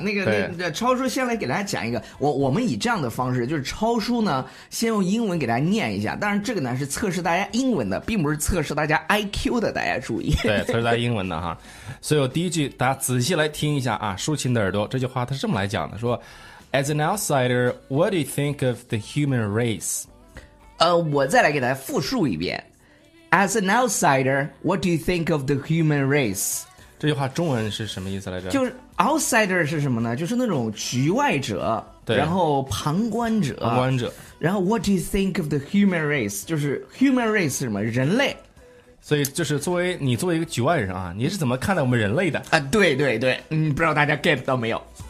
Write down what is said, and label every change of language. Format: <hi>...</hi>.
<zh>那个超叔先来给大家讲一个，我们以这样的方式，就是超叔呢先用英文给大家念一下，但是这个呢是测试大家英文的，并不是测试大家 IQ 的，大家注意。对，测试大家英文的哈。所以我第一句大家仔细来听一下啊，竖起你的耳朵，这句话它是这么来讲的，说 As an outsider, what do you think of the human race? 我再来给大家复述一遍。</zh> <en>As an outsider, what do you think of the human race?</en> <zh>这句话中文是什么意思来着？就是 outsider 是什么呢？就是那种局外者，对，然后旁观者。旁观者。</zh> <en>然后 what do you think of the human race?</en> <zh>就是 human race 是什么？人类。所以就是作为一个局外人啊，你是怎么看待我们人类的？对对对，不知道大家 get 到没有。</zh>